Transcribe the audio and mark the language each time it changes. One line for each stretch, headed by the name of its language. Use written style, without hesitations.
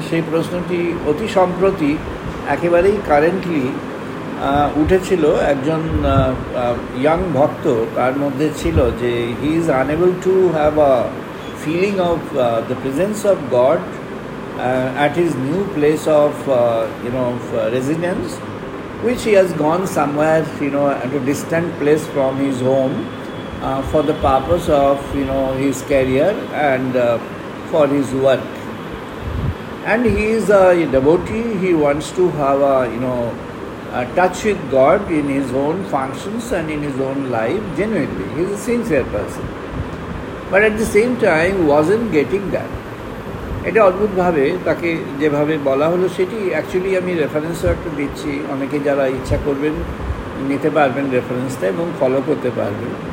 Bangla: সেই প্রশ্নটি অতি সম্প্রতি একেবারেই কারেন্টলি উঠেছিল একজন ইয়াং ভক্ত, তার মধ্যে ছিল যে
English: He is unable to have a feeling of the presence of God at his new place of you know residence, which he has gone somewhere you know at a distant place from his home for the purpose of you know his career and for his work, and he is a devotee, he wants to have a you know touch with God in his own functions and in his own life genuinely. He is a sincere person. But at the same time, wasn't getting that.
Bangla: এটা অদ্ভুতভাবে তাকে যেভাবে বলা হলো সেটি actually আমি রেফারেন্সও একটা দিচ্ছি, অনেকে যারা ইচ্ছা করবেন নিতে পারবেন রেফারেন্সটা এবং ফলো করতে পারবেন।